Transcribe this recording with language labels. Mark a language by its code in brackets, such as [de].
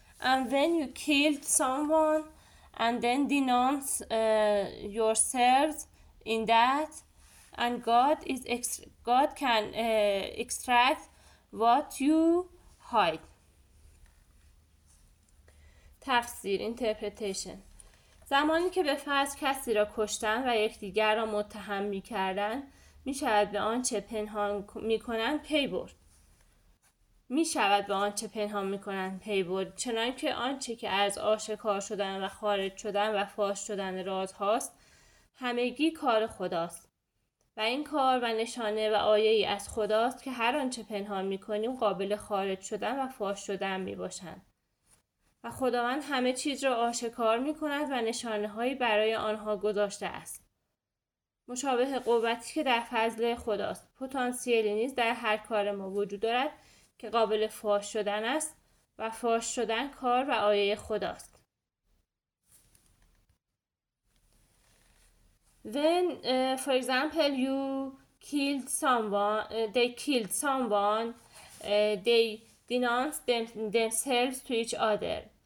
[en] And when you killed someone and then denounce yourselves in that, and God can extract what you hide. [fa] تفسیر interpretation. زمانی که به فرض کسی را کشتن و یکدیگر را متهم می‌کردند، می‌شود به آن چه پنهان می‌کنند پی برد. می شود به آنچه پنهان می کنند پی برد، چنان که آنچه که از آشکار شدن و خارج شدن و فاش شدن راز هاست همگی کار خداست و این کار و نشانه و آیه ای از خداست که هر آنچه پنهان می کنیم قابل خارج شدن و فاش شدن می باشند و خداوند همه چیز را آشکار می کند و نشانه هایی برای آنها گذاشته است، مشابه قوتی که در فضل خداست. پتانسیلی نیز در هر کار ما وجود دارد که قابل فاش شدن است و فاش شدن کار و آیه خداست. [en] When for example you killed someone, they denounced themselves to each other.